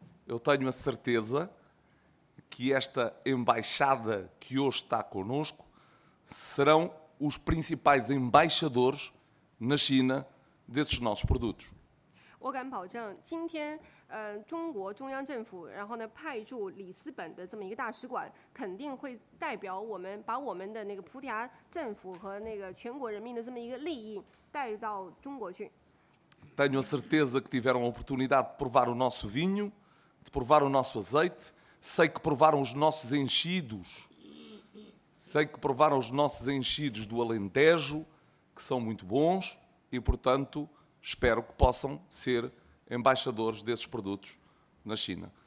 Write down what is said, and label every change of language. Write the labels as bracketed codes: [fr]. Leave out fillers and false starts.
[pt] Eu tenho a certeza que esta embaixada que hoje está conosco serão os principais embaixadores na China desses nossos produtos. [zh] 我敢保证，今天。中国中央政府，然后呢，派驻里斯本的这么一个大使馆，肯定会代表我们，把我们的那个葡萄牙政府和那个全国人民的这么一个利益带到中国去。 [pt] Tenho a certeza que tiveram a oportunidade de provar o nosso vinho, de provar o nosso azeite. Sei que provaram os nossos enchidos. Sei que provaram os nossos enchidos do Alentejo, que são muito bons, e portanto espero que possam ser embaixadores desses produtos na China.